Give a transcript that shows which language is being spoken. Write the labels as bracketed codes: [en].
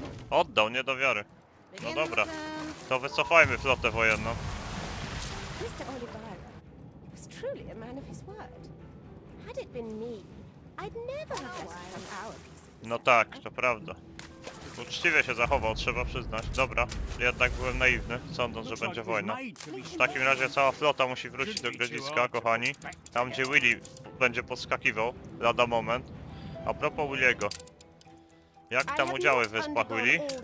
[pl] Oddał, nie do wiary. No dobra, to wycofajmy flotę wojenną. [en] Mr. Olivera was truly a man of his word. Had it been me, I'd never have relied on our peace. [pl] No tak, to prawda. Uczciwie się zachował, trzeba przyznać. Dobra, jednak byłem naiwny, sądząc, że będzie wojna. W takim razie cała flota musi wrócić do Grodziska, kochani. Tam, gdzie Willy będzie podskakiwał, lada moment. A propos Williego. Jak tam udziały w wyspach Willy?